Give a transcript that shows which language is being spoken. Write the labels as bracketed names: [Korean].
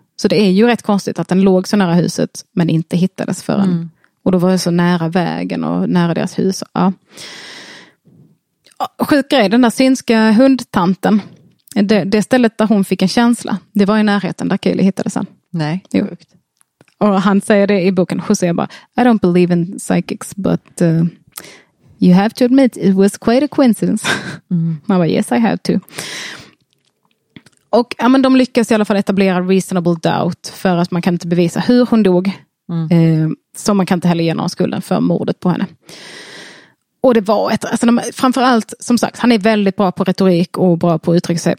[Swedish] Så det är ju rätt konstigt att den låg så nära huset. Men inte hittades förrän. Mm. Och då var det så nära vägen och nära deras hus. Ja. Sjuk grej, den där synska hundtanten, det stället där hon fick en känsla, det var i närheten där Kayleigh hittade sen. Nej, sjukt. Och han säger det i boken, José bara, [English] I don't believe in psychics, but you have to admit it was quite a coincidence. Mm. [Swedish] Han bara, [English] yes I have to. [Swedish] Och ja, men de lyckas i alla fall etablera [English] reasonable doubt [Swedish] för att man kan inte bevisa hur hon dog. Så man kan inte heller ge någon skulden för mordet på henne. Och det var ett, alltså de, framförallt, som sagt, han är väldigt bra på retorik och bra på att uttrycka sig.